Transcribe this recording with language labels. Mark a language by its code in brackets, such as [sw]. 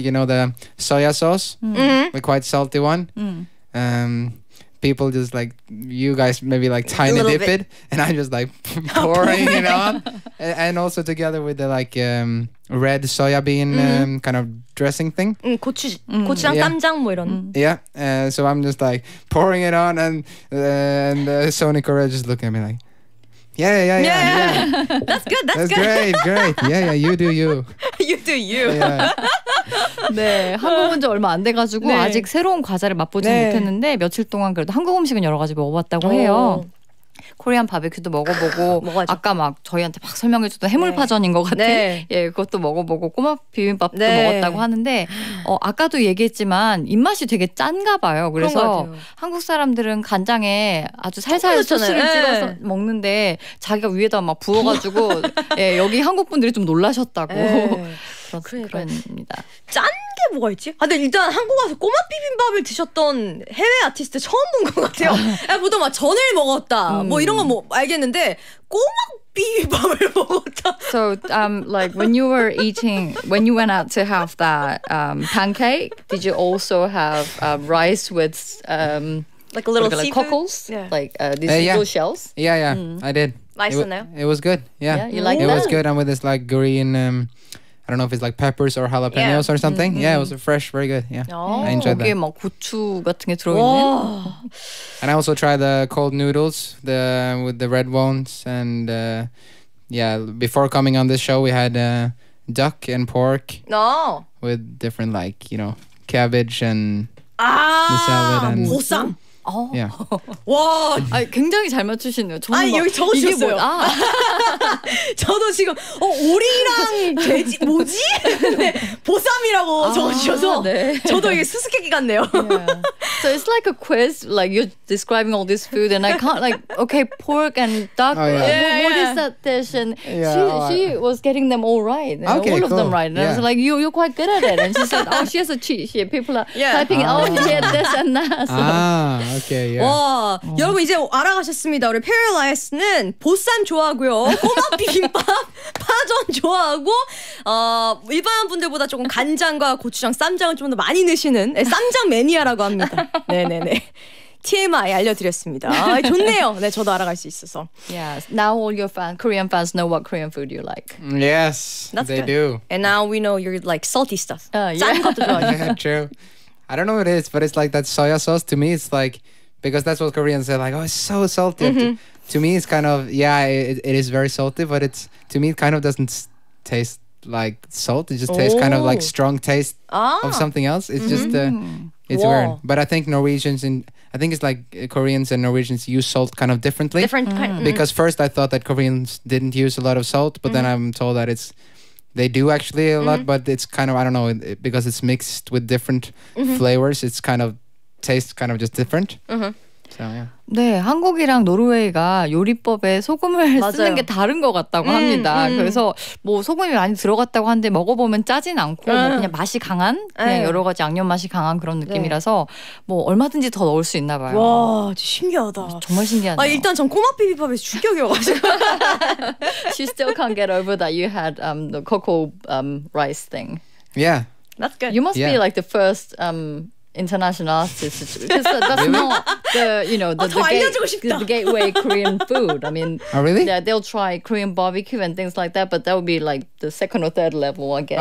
[en] You know, the soya sauce? Mm-hmm. The quite salty one. Mm. People just like you guys maybe like tiny dip bit. It and I'm just like pouring it on and also together with the like red soya bean kind of dressing thing. [ko] 고추, 고추랑 쌈장 뭐 이런. [en] Yeah, so I'm just like pouring it on and Sony Korea just looking at me like yeah. that's good. Yeah, you do you. You do you. Yeah. [ko] 네, 한국 온 지 얼마 안 돼가지고 네. 아직 새로운 과자를 맛보지 못했는데 며칠 동안 그래도 한국 음식은 여러 가지 먹어봤다고 해요. 코리안 바베큐도 먹어보고 아까 막 저희한테 막 설명해줬던 해물파전인 것 같아. 네. 예, 그것도 먹어보고 꼬막 비빔밥도 먹었다고 하는데 아까도 얘기했지만 입맛이 되게 짠가 봐요. 그래서 한국 사람들은 간장에 아주 살살 소스를 찍어서 먹는데 자기가 위에다 막 부어가지고 여기 한국 분들이 좀 놀라셨다고. 그렇습니다. 짠 게 뭐가 있지? 아, 근데 일단 한국 와서 꼬막 비빔밥을 드셨던 해외 아티스트 처음 본 것 같아요. 야, 보통 막 전을 먹었다. 뭐 이런 거 뭐 알겠는데 꼬막 비빔밥을 먹었다. [en] So like when you were eating, when you went out to have that pancake, did you also have rice with like a little seafood? Like cockles? Yeah. Like these little shells? Yeah, yeah. Mm. I did. Nice. It was good. Yeah. You liked it? It was good. And with this like green I don't know if it's like peppers or jalapenos or something. Mm-hmm. Yeah, it was fresh, very good. Yeah, I enjoyed that. [ko] 여기에 막 고추 같은 게 들어있는. [en] And I also tried the cold noodles, the with the red ones, and before coming on this show, we had duck and pork. No. With different like cabbage and the salad and [ko] 보쌈. [en] Oh. Yeah. [ko] 와, 아니, 굉장히 잘 맞추시네요. 저는 아니, 막, 여기 적으셨어요. 뭐, 아. 저도 지금 오리랑 돼지 뭐지? 네, 보쌈이라고 적으셔서 네. 저도 이게 수수께끼 같네요. [en] Yeah. So it's like a quiz, like you're describing all this food, and I can't like okay, pork and duck. Oh, yeah. What is that dish? And she was getting them all right, okay, all of cool. them right. And I was like, you're quite good at it. And she said, oh, she has a cheat sheet. People are typing, yeah, this and that. So. Okay, yeah. [ko] 와, 여러분 이제 알아가셨습니다. 우리 페어 라이스는 보쌈 좋아하고요, 꼬막 비빔밥, 파전 좋아하고, 일반 분들보다 조금 간장과 고추장, 쌈장을 좀 더 많이 넣으시는 쌈장 매니아라고 합니다. 네네네. TMI 알려드렸습니다. 아, 좋네요. 네, 저도 알아갈 수 있어서. [en] Yes. Now all your fans, Korean fans, know what Korean food you like. Yes, that's they good. Do. And now we know you're like salty stuff. [ko] 짠 것도 좋아해. [en] Yeah, true. I don't know what it is, but it's like that soya sauce. To me, it's like, because that's what Koreans say, like, oh, it's so salty. Mm-hmm. To me, it's kind of, it is very salty, but it's, to me, it kind of doesn't taste like salt. It just tastes kind of like strong taste of something else. It's just, it's weird. But I think Norwegians and, I think it's like Koreans and Norwegians use salt kind of differently. Different kind. Mm-hmm. Because first I thought that Koreans didn't use a lot of salt, but then I'm told that they do actually a lot, but it's kind of, I don't know, because it's mixed with different flavors, it's kind of tastes kind of just different. Mm-hmm. So, yeah. [ko] 네, 한국이랑 노르웨이가 요리법에 소금을 맞아요. 쓰는 게 다른 것 같다고 합니다. 그래서 뭐 소금이 많이 들어갔다고 하는데 먹어보면 짜진 않고 뭐 그냥 맛이 강한 그냥 여러 가지 양념 맛이 강한 그런 느낌이라서 뭐 얼마든지 더 넣을 수 있나 봐요. 와, 신기하다. 정말 신기하네요. 아, 일단 전 콩밥 비빔밥에서 충격이어가지고. [en] She still can't get over that you had the cocoa rice thing. Yeah. That's good. You must be like the first... international artist, because that's really? Not the, you know, the gateway Korean food. I mean, oh, really? Yeah, they'll try Korean barbecue and things like that, but that would be like the second or third level, I guess.